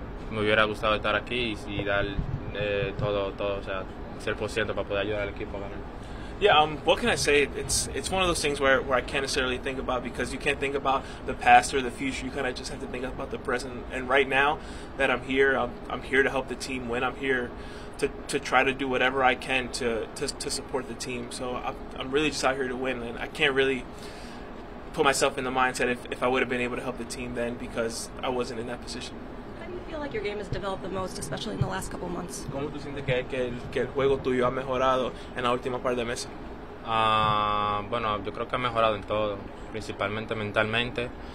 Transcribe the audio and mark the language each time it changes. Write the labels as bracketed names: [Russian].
[Spanish] me hubiera gustado estar aquí y dar todo, o sea, 100% para poder ayudar al equipo a ganar. [English] Yeah, what can I say? It's one of those things where I can't necessarily think about, because you can't think about the past or the future. You kind of just have to think about the present. And right now that I'm here, I'm here to help the team win. I'm here to try to do whatever I can to support the team. So I'm really just out here to win, and I can't really put myself in the mindset if I would have been able to help the team then, because I wasn't in that position. How do you feel like your game has developed the most, especially in the last couple of months? [Spanish] ¿Cómo tú sientes que el juego tuyo ha mejorado en la última par de meses? Bueno, yo creo que ha mejorado en todo, principalmente mentalmente.